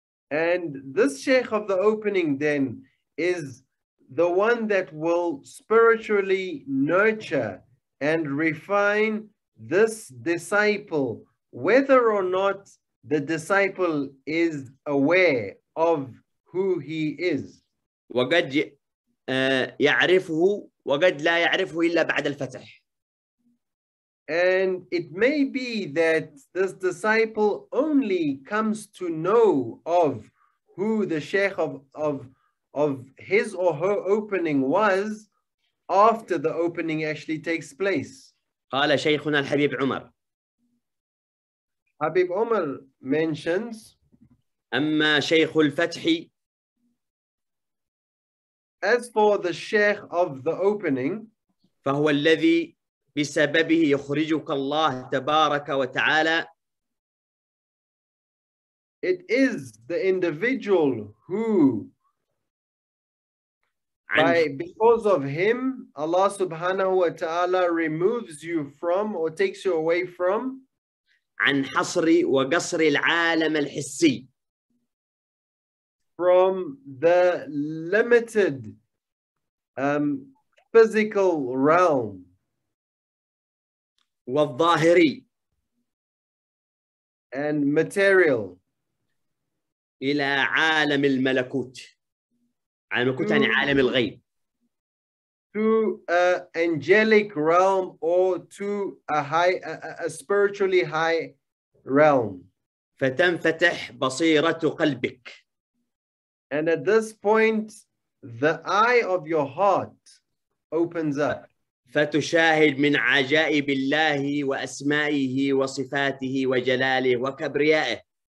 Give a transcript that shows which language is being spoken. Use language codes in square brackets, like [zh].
[en] And this sheikh of the opening then is the one that will spiritually nurture and refine this disciple, whether or not the disciple is aware of who he is. [ar] وقد يعرفه وقد لا يعرفه إلا بعد الفتح. [en] And it may be that this disciple only comes to know of who the Sheikh of his or her opening was after the opening actually takes place. [ar] قال شيخنا الحبيب عمر. [en] حبيب عمر mentions. [ar] أما شيخ الفتح. [en] As for the Sheikh of the opening. [ar] فهو الذي بسببه يخرجك الله تبارك وتعالى. [en] It is the individual who, because of him, Allah subhanahu wa ta'ala removes you from or takes you away from [ar] عن حصر وقصر العالم الحسي, [en] from the limited physical realm, [ar] والظاهري [en] and material, [ar] إلى عالم الملكوت, عالم الملكوت يعني عالم الغيب, [en] to an angelic realm or to a high, a spiritually high realm. [ar] فتنفتح بصيرة قلبك. [en] And at this point, the eye of your heart opens up. [ar] فتشاهد من عجائب الله وأسمائه وصفاته وجلاله وكبريائه.